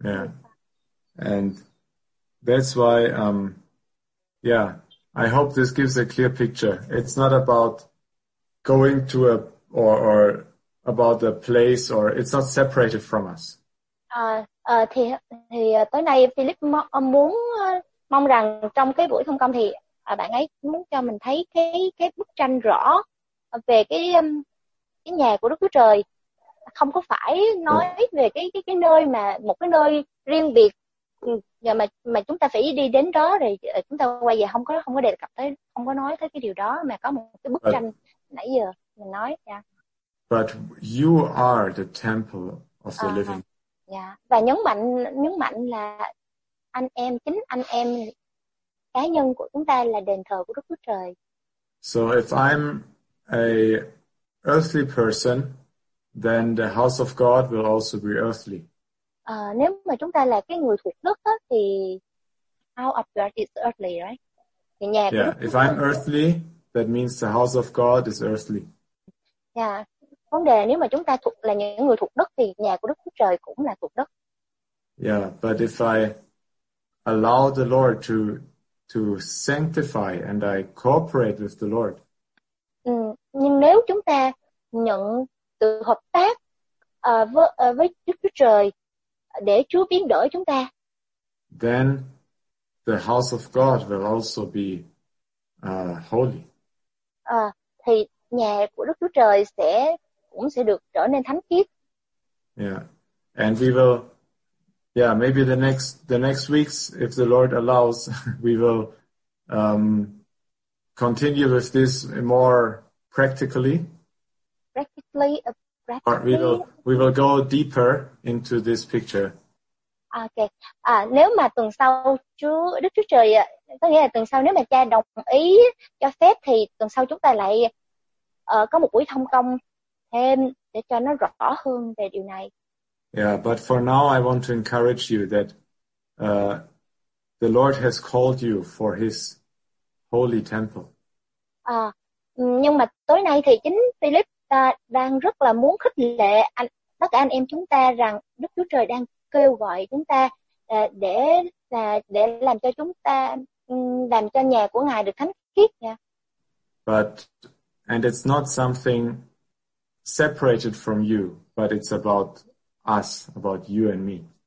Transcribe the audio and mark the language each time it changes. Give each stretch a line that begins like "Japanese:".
English: Yeah, and that's why I hope this gives a clear picture. It's not about going to a or about the place, or it's not separated from us.
Vietnamese: Thì tối nay Philip muốn mong rằng trong cái buổi thông công thì bạn ấy muốn cho mình thấy cái bức tranh rõ về cái nhà của Đức Chúa Trời, không có phải nói về cái nơi mà một cái nơi riêng biệt mà chúng ta phải đi đến đó rồi chúng ta quay về, không có đề cập tới, không có nói tới cái điều đó, mà có một cái bức tranh nãy giờ mình nói.
English: But you are the temple of the living.
Vietnamese: Và nhấn mạnh là anh em cá nhân của chúng ta là đền thờ của Đức Chúa Trời.
English: So if I'm a earthly person, then the house of God will also be earthly.
Vietnamese: Nếu mà chúng ta là cái người thuộc đất đó, thì
English: house of God is earthly, right?
Vietnamese: Thì nhà
English: yeah, if I'm earthly, that means the house of God is earthly. Yeah.
Vietnamese: Vấn đề là nếu mà chúng ta là những người thuộc đất thì nhà của Đức Chúa Trời cũng là thuộc đất.
English: Yeah, but if I allow the Lord to sanctify and I cooperate with the Lord.
Vietnamese: Nhưng nếu chúng ta nhận sự hợp tác với Đức Chúa Trời để Chúa biến đổi chúng ta,
English: then the house of God will also be holy.
Vietnamese: Thì nhà của Đức Chúa Trời cũng sẽ được trở nên thánh khiết. Yeah.
English: And we will maybe the next weeks, if the Lord allows, we will continue with this more practically. Practically. We will go deeper into this picture. Okay.
Vietnamese: Nếu mà tuần sau Đức Chúa Trời, có nghĩa là tuần sau nếu mà cha đồng ý cho phép thì tuần sau chúng ta lại có một buổi thông công thêm để cho nó rõ hơn về điều này.
English: Yeah, but for now I want to encourage you that the Lord has called you for his holy temple.
Vietnamese: À, nhưng mà tối nay thì chính Philip đang rất là muốn khích lệ anh tất cả anh em chúng ta rằng Đức Chúa Trời đang kêu gọi chúng ta để làm cho chúng ta làm cho nhà của Ngài được thánh khiết nha.
English: But and it's not something separated from you, but it's about us, about you and me.